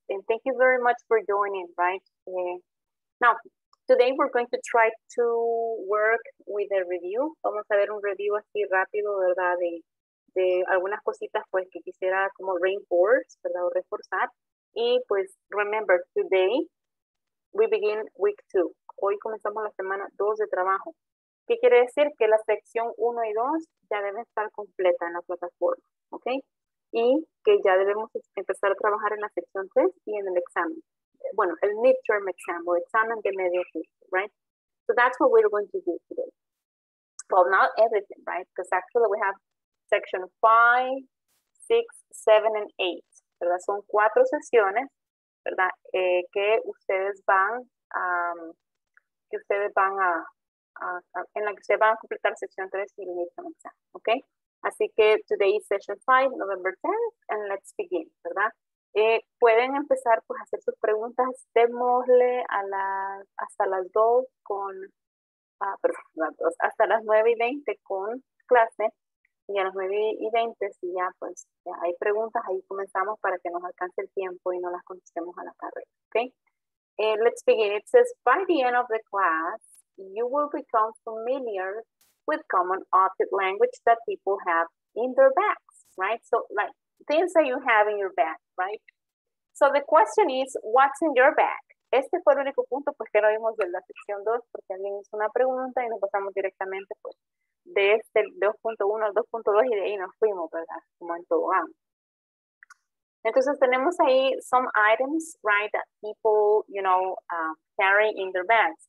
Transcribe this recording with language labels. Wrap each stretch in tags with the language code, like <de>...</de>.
<en>And thank you very much for joining, right? Now, today we're going to try to work with a review.</en> <es>Vamos a ver un review así rápido, ¿verdad? De algunas cositas pues que quisiera como reinforce, ¿verdad? O reforzar. Y pues</es> <en>remember, today we begin week two.</en> <es>Hoy comenzamos la semana 2 de trabajo. ¿Qué quiere decir? Que la sección 1 y 2 ya deben estar completa en la plataforma, ¿ok? Y que ya debemos empezar a trabajar en la sección 3 y en el examen. Bueno, el midterm exam o examen de medio curso, right?</es> <en>So that's what we're going to do today. Well, not everything, right? Because actually we have section 5, 6, 7, and 8, ¿verdad?</en> <es>Son cuatro sesiones, ¿verdad? Que ustedes van en la que ustedes van a completar sección 3 y el midterm exam, ¿ok? Así que</es> <en>today is session 5, November 10th, and let's begin, ¿verdad?</en> <es>Pueden empezar pues a hacer sus preguntas, démosle hasta las 2 con, perdón, las 2, hasta las 9 y 20 con clase, Y a las 9:20, si ya pues ya hay preguntas, ahí comenzamos para que nos alcance el tiempo y no las contestemos a la carrera, ¿ok?</es> <en>Let's begin. It says, by the end of the class, you will become familiar with common object language that people have in their bags, right? So, like, things that you have in your bag, right? So, the question is, what's in your bag?</en> <es>Este fue el único punto, pues, que no vimos de la sección 2, porque alguien hizo una pregunta y nos pasamos directamente, pues, de este 2.1 al 2.2 y de ahí nos fuimos, ¿verdad? Como en todo vamos. Entonces tenemos ahí</es> <en>some items, right, that people, you know, carry in their bags.</en>